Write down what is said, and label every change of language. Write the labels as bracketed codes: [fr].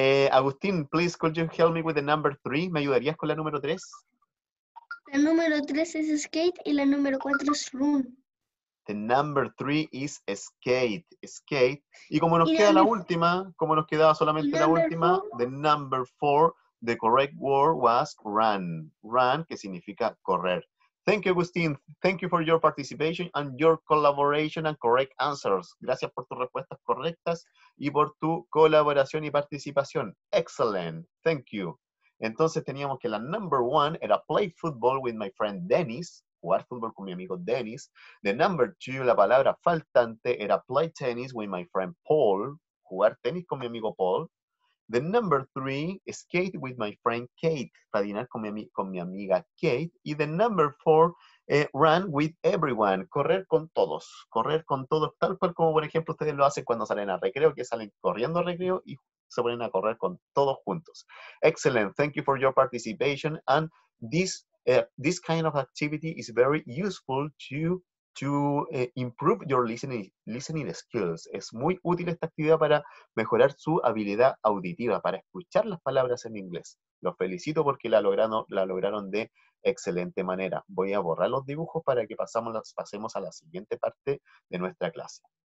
[en] Agustín, please, could you help me with the number three? [es] ¿Me ayudarías con la número tres? La número tres es skate y la número cuatro es run. [en] The number three is skate. Skate. [es] Y como nos queda la última, como nos quedaba solamente la última, [en] the number four, the correct word was run. [es] Run, que significa correr. [en] Thank you, Agustín. Thank you for your participation and your collaboration and correct answers. [es] Gracias por tus respuestas correctas y por tu colaboración y participación. [en] Excellent. Thank you. [es] Entonces teníamos que la number one era [en] play football with my friend Dennis. [es] Jugar fútbol con mi amigo Dennis. [en] The number two, [es] la palabra faltante, era [en] play tennis with my friend Paul. [es] Jugar tenis con mi amigo Paul. [en] The number three, skate with my friend Kate, [es] patinar con mi amiga Kate. Y [en] the number four, run with everyone, [es] correr con todos, tal cual como por ejemplo ustedes lo hacen cuando salen a recreo, que salen corriendo a recreo y se ponen a correr con todos juntos. [en] Excellent, thank you for your participation. And this kind of activity is very useful to improve your listening skills. [es] Es muy útil esta actividad para mejorar su habilidad auditiva, para escuchar las palabras en inglés. Los felicito porque la lograron de excelente manera. Voy a borrar los dibujos para que pasemos a la siguiente parte de nuestra clase.